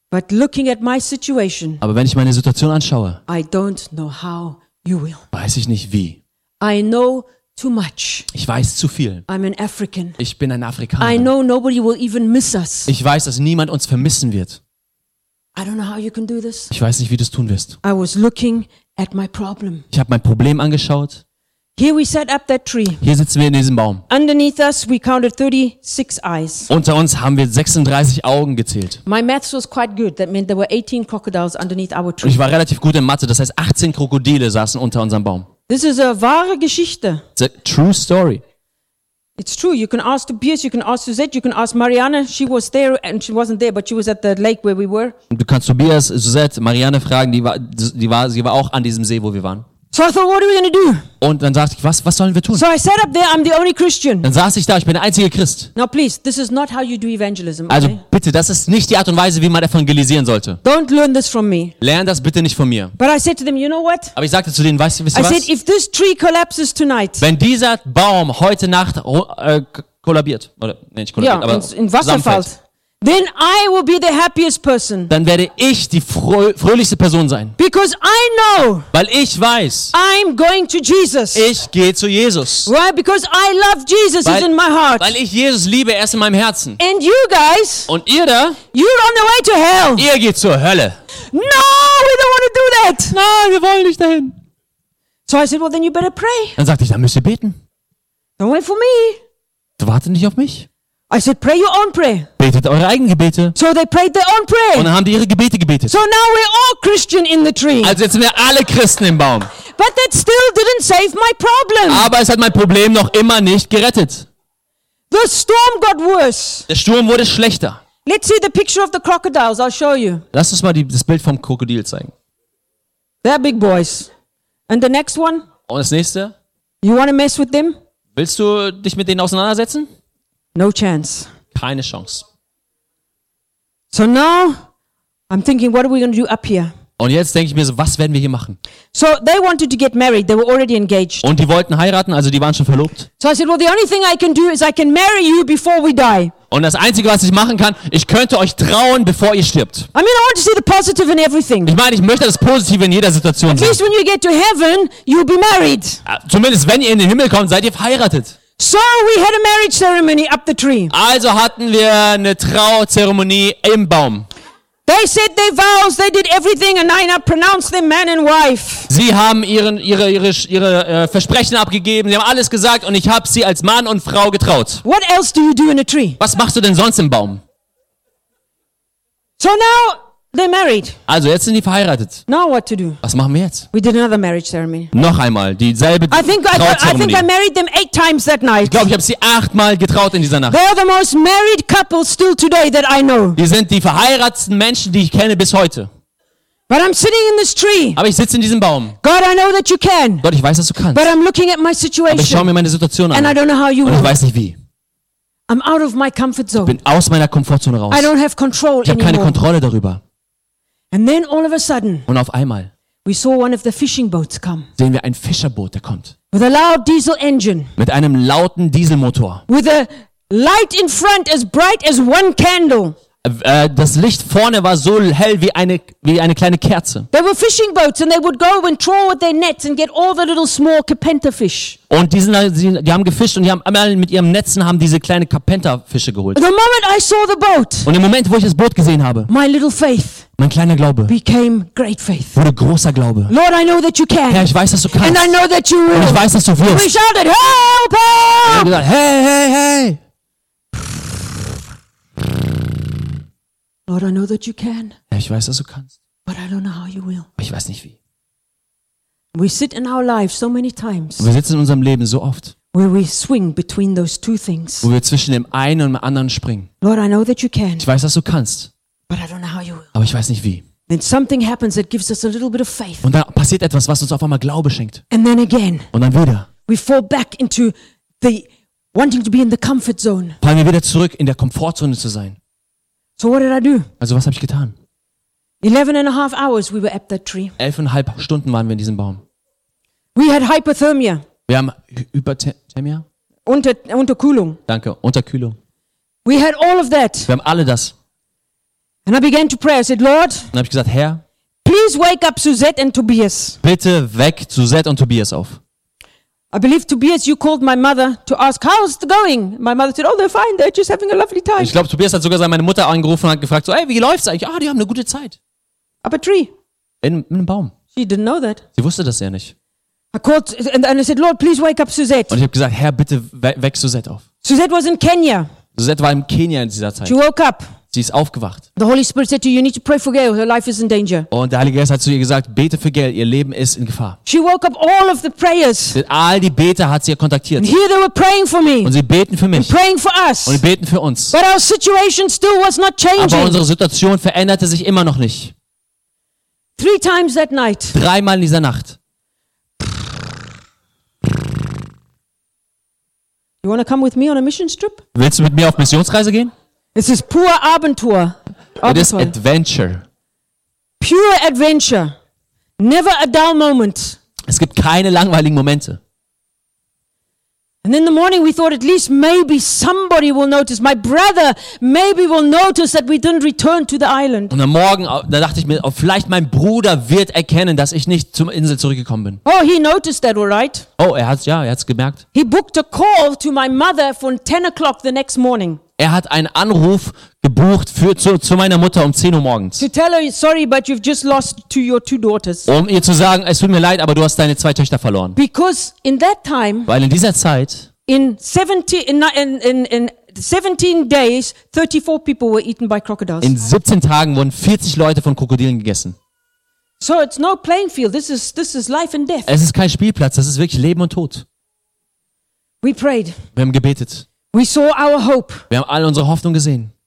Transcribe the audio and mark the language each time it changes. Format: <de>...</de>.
<en>But looking at my situation.</en> <de>Aber wenn ich meine Situation anschaue.</de> <en>I don't know how you will.</en> <de>Weiß ich nicht wie.</de> <en>I know too much.</en> <de>Ich weiß zu viel.</de> <en>I'm an African.</en> <de>Ich bin ein Afrikaner.</de> <en>I know nobody will even miss us.</en> <de>Ich weiß, dass niemand uns vermissen wird.</de> <en>I don't know how you can do this.</en> <de>Ich weiß nicht, wie du es tun wirst.</de> <en>I was looking at my problem.</en> <de>Ich habe mein Problem angeschaut.</de> <en>Here we sat up that tree.</en> <de>Hier sitzen wir in diesem Baum.</de> <en>Underneath us we counted 36 eyes.</en> <de>Unter uns haben wir 36 Augen gezählt.</de> <en>My maths was quite good. That meant there were 18 crocodiles underneath our tree.</en> <de>Und ich war relativ gut in Mathe, das heißt 18 Krokodile saßen unter unserem Baum.</de> <en>This is a</en> <de>wahre Geschichte.</de> <en>It's a true story. It's true. You can ask Tobias, you can ask Suzette, you can ask Marianne. She was there and she wasn't there, but she was at the lake where we were.</en> <de>Du kannst Tobias, Suzette, Marianne fragen, sie war auch an diesem See, wo wir waren.</de> <en>So I thought, what are we gonna do?</en> <de>Und dann sagte ich, was sollen wir tun?</de> <en>So I sat up there, I'm the only Christian.</en> <de>Dann saß ich da, ich bin der einzige Christ.</de> <en>Now please, this is not how you do evangelism, okay?</en> <de>Also bitte, das ist nicht die Art und Weise, wie man evangelisieren sollte.</de> <en>Don't learn this from me.</en> <de>Lern das bitte nicht von mir.</de> <en>But I said to them, you know what?</en> <de>Aber ich sagte zu denen, wisst ihr was?</de> <en>I said, if this tree collapses tonight.</en> <de>Wenn dieser Baum heute Nacht kollabiert oder nee, nicht kollabiert, ja, aber in Wasserfall.</de> <en>Then I will be the happiest person.</en> <de>Dann werde ich die fröhlichste Person sein.</de> <en>Because I know.</en> <de>Weil ich weiß.</de> <en>I'm going to Jesus.</en> <de>Ich gehe zu Jesus.</de> <en>Why? Because I love Jesus.</en> <de>Weil,</de> <en>is in my heart.</en> <de>Weil ich Jesus liebe, er ist in meinem Herzen.</de> <en>And you guys.</en> <de>Und ihr da?</de> <en>You're on the way to hell.</en> <de>Ihr geht zur Hölle.</de> <en>No, we don't want to do that.</en> <de>Nein, wir wollen nicht dahin.</de> <en>So I said, well, then you better pray.</en> <de>Dann sagte ich, dann müsst ihr beten.</de> <en>Don't wait for me.</en> <de>Du wartest nicht auf mich.</de> <en>I said, pray your own prayer.</en> <de>Betet eure eigenen Gebete.</de> <en>So they prayed their own prayer.</en> <de>Und dann haben die ihre Gebete gebetet.</de> <en>So now we're all Christian in the tree.</en> <de>Also jetzt sind wir alle Christen im Baum.</de> <en>But that still didn't save my problem.</en> <de>Aber es hat mein Problem noch immer nicht gerettet.</de> <en>The storm got worse.</en> <de>Der Sturm wurde schlechter.</de> <en>Let's see the picture of the crocodiles. I'll show you.</en> <de>Lass uns mal das Bild vom Krokodil zeigen.</de> <en>They're big boys. And the next one?</en> <de>Und das nächste?</de> <en>You wanna mess with them?</en> <de>Willst du dich mit denen auseinandersetzen?</de> <en>No chance.</en> <de>Keine Chance.</de> <en>So now I'm thinking, what are we going to do up here?</en> <de>Und jetzt denke ich mir so, was werden wir hier machen?</de> <en>So they wanted to get married. They were already engaged.</en> <de>Und die wollten heiraten, also die waren schon verlobt.</de> <en>So I said, well, the only thing I can do is I can marry you before we die.</en> <de>Und das Einzige, was ich machen kann, ich könnte euch trauen, bevor ihr stirbt.</de> <en>I mean, I want to see the positive in everything.</en> <de>Ich meine, ich möchte das Positive in jeder Situation sehen.</de> <en>At least when you get to heaven, you'll be married.</en> <de>Zumindest wenn ihr in den Himmel kommt, seid ihr verheiratet.</de> <en>So we had a marriage ceremony up the tree.</en> <de>Also hatten wir eine Trauzeremonie im Baum.</de> <en>They said their vows, they did everything and I now pronounced them man and wife.</en> <de>Sie haben ihre Versprechen abgegeben, sie haben alles gesagt und ich habe sie als Mann und Frau getraut.</de> <en>What else do you do in a tree?</en> <de>Was machst du denn sonst im Baum?</de> <en>So now they're married.</en> <de>Also jetzt sind die verheiratet.</de> <en>Now what to do?</en> <de>Was machen wir jetzt?</de> <en>We did another marriage ceremony.</en> <de>Noch einmal dieselbe Trauzeremonie.</de> <en>I think I married them 8 times that night.</en> <de>Ich glaube, ich habe sie 8-mal getraut in dieser Nacht.</de> <en>They are the most married couple still today that I know.</en> <de>Die sind die verheirateten Menschen, die ich kenne bis heute.</de> <en>But I'm sitting in this tree.</en> <de>Aber ich sitze in diesem Baum.</de> <en>God, I know that you can.</en> <de>Gott, ich weiß, dass du kannst.</de> <en>But I'm looking at my situation.</en> <de>Aber ich schaue mir meine Situation an.</de> <en>And I don't know how you will.</en> <de>Und ich weiß nicht wie.</de> <en>I'm out of my comfort zone.</en> <de>Ich bin aus meiner Komfortzone raus.</de> <en>I don't have control anymore.</en> <de>Ich habe keine Kontrolle darüber.</de> <en>And then all of a sudden,</en> <de>und auf einmal,</de> <en>we saw one of the fishing boats come.</en> <de>Sehen wir ein Fischerboot, der kommt.</de> <en>With a loud diesel engine.</en> <de>Mit einem lauten Dieselmotor.</de> <en>With a light in front as bright as one candle.</en> <de>Das Licht vorne war so hell wie eine kleine Kerze.</de> <en>They were fishing boats and they would go and trawl with their nets and get all the little small Carpenter fish.</en> <de>Und die haben gefischt und die haben einmal mit ihren Netzen haben diese kleine Carpenter Fische geholt.</de> <en>The moment I saw the boat.</en> <de>Und im Moment, wo ich das Boot gesehen habe.</de> <en>My little faith.</en> <de>Mein kleiner Glaube</de> <en>became great faith.</en> <de>Wurde großer Glaube.</de> <en>Lord, I know that you can.</en> <de>Herr, ich weiß, dass du kannst.</de> <en>And I know that you will.</en> <de>Und ich weiß, dass du wirst.</de> <en>We shouted, help, help!</en> <de>Und gesagt, hey, hey, hey!</de> <en>Lord, I know that you can.</en> <de>Ja, ich weiß, dass du kannst.</de> <en>But I don't know how you will.</en> <de>Aber ich weiß nicht wie.</de> <en>We sit in our life so many times.</en> <de>Und wir sitzen in unserem Leben so oft.</de> <en>Where we swing between those two things.</en> <de>Wo wir zwischen dem einen und dem anderen springen.</de> <en>Lord, I know that you can.</en> <de>Ich weiß, dass du kannst.</de> <en>But I don't know how you will.</en> <de>Aber ich weiß nicht wie.</de> <en>Then something happens that gives us a little bit of faith.</en> <de>Und dann passiert etwas, was uns auf einmal Glaube schenkt.</de> <en>And then again.</en> <de>Und dann wieder.</de> <en>We fall back into the wanting to be in the comfort zone.</en> <de>Fallen wir wieder zurück in der Komfortzone zu sein.</de> <en>So what did I do?</en> <de>Also was habe ich getan?</de> <en>11.5 hours we were at that tree.</en> <de>11.5 Stunden waren wir in diesem Baum.</de> <en>We had hypothermia.</en> <de>Wir haben Hyperthermia. Unterkühlung. Danke, Unterkühlung.</de> <en>We had all of that.</en> <de>Wir haben alle das.</de> <en>And I began to pray. I said, Lord.</en> <de>Dann habe ich gesagt, Herr.</de> <en>Please wake up Suzette and Tobias.</en> <de>Bitte weck Suzette und Tobias auf.</de> <en>I believe Tobias, you called my mother to ask how's it going. My mother said, oh, they're fine. They're just having a lovely time.</en> <de>Ich glaube, Tobias hat sogar meine Mutter angerufen und hat gefragt, so, hey, wie läuft's eigentlich? Ah, die haben eine gute Zeit.</de> <en>Up a tree.</en> <de>In einem Baum.</de> <en>She didn't know that.</en> <de>Sie wusste das ja nicht.</de> <en>I called and I said, Lord, please wake up Suzette.</en> <de>Und ich habe gesagt, Herr, bitte weck Suzette auf.</de> <en>Suzette was in Kenya.</en> <de>Suzette war in Kenia in dieser Zeit.</de> <en>She woke up.</en> <de>Sie ist aufgewacht.</de> <en>The Holy Spirit said to her, you need to pray for Gail. Her life is in danger.</en> <de>Und der Heilige Geist hat zu ihr gesagt, bete für Gail. Ihr Leben ist in Gefahr.</de> <en>She woke up all of the prayers.</en> <de>Denn all die Beter hat sie kontaktiert.</de> <en>And here they were praying for me.</en> <de>Und sie beten für mich.</de> <en>And praying for us.</en> <de>Und sie beten für uns.</de> <en>But our situation still was not changing.</en> <de>Aber unsere Situation veränderte sich immer noch nicht.</de> <en>Three times that night.</en> <de>Dreimal in dieser Nacht.</de> <en>You wanna come with me on a mission trip?</en> <de>Willst du mit mir auf Missionsreise gehen? Es ist pure Abenteuer.</de> <en>It is adventure. Pure adventure. Never a dull moment.</en> <de>Es gibt keine langweiligen Momente.</de> <en>And in the morning we thought at least maybe somebody will notice. My brother maybe will notice that we didn't return to the island.</en> <de>Und am Morgen, da dachte ich mir, oh, vielleicht mein Bruder wird erkennen, dass ich nicht zur Insel zurückgekommen bin.</de> <en>Oh, he noticed that, all right.</en> <de>Oh, er hat's gemerkt.</de> <en>He booked a call to my mother from 10 o'clock the next morning.</en> <de>Er hat einen Anruf gebucht zu meiner Mutter um 10 Uhr morgens.</de> <en>To tell her, sorry, but you've just lost to your two daughters.</en> <de>Um ihr zu sagen, es tut mir leid, aber du hast deine zwei Töchter verloren.</de> <en>Because in that time,</en> <de>weil in dieser Zeit,</de> <en>in 17 days, 34 people were eaten by crocodiles.</en> <de>In 17 Tagen wurden 40 Leute von Krokodilen gegessen.</de> <en>So it's no playing field. This is life and death.</en> <de>Es ist kein Spielplatz, das ist wirklich Leben und Tod.</de> <en>We prayed.</en> <de>Wir haben gebetet.</de> <en>We saw our hope.</en> <de>Wir haben alle unsere Hoffnung gesehen.</de>